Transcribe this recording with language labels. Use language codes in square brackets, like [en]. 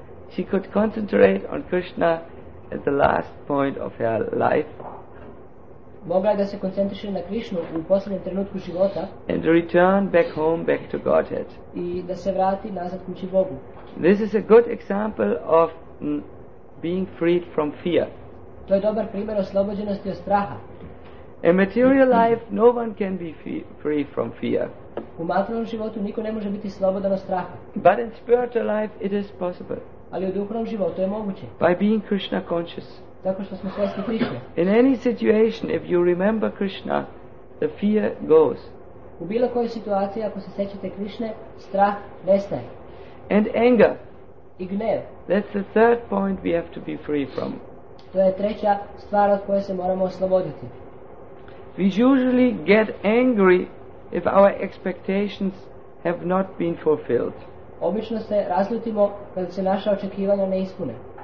[en] She could concentrate on Krishna at the last point of her life. [sr] Mogla je da se koncentriše na Krishnu u posljednjem trenutku života. [en] And return back home, back to Godhead. [sr] I da se vrati nazad kući Bogu. [en] This is a good example of being freed from fear. [sr] To je dobar primjer oslobođenosti od straha. [en] A material life, no one can be free from fear. [sr] U materijalnom životu niko ne može biti slobodan od straha. [en] But in spiritual life it is possible. [sr] Ali u duhovnom životu je moguće. [en] By being Krishna conscious. [sr] Tako što smo svjesni Krishne. [en] In any situation if you remember Krishna, the fear goes. [sr] U bilo kojoj situaciji ako se sjećate Krishne, strah nestaje. [en] And anger. [sr] I gnev. [en] That's the third point we have to be free from. [sr] To je treća stvar od koje se moramo osloboditi. [en] We usually get angry if our expectations have not been fulfilled. [sr] Obično se razljutimo kada se naša očekivanja ne ispune.